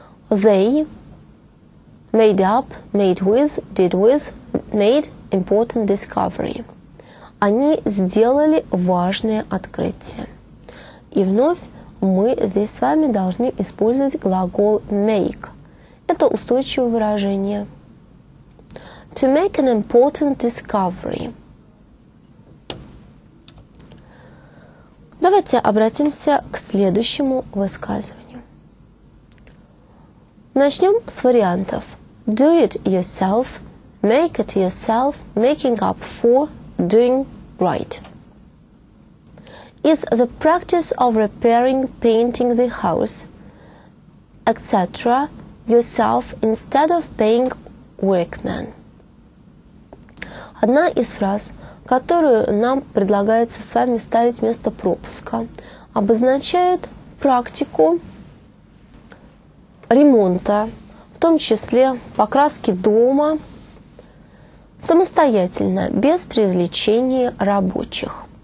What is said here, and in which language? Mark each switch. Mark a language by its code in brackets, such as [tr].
[en] They made up, made with, did with, made important discovery. [ru] Они сделали важное открытие. И вновь мы здесь с вами должны использовать глагол make. Это устойчивое выражение. [en] To make an important discovery. [ru] Давайте обратимся к следующему высказыванию. Начнем с вариантов. [en] Do it yourself, make it yourself, making up for, doing right. Is the practice of repairing, painting the house, etc. yourself instead of paying workmen. [ru] Одна из фраз, которую нам предлагается с вами ставить вместо пропуска, обозначает практику ремонта, в том числе покраски дома, самостоятельно, без привлечения рабочих.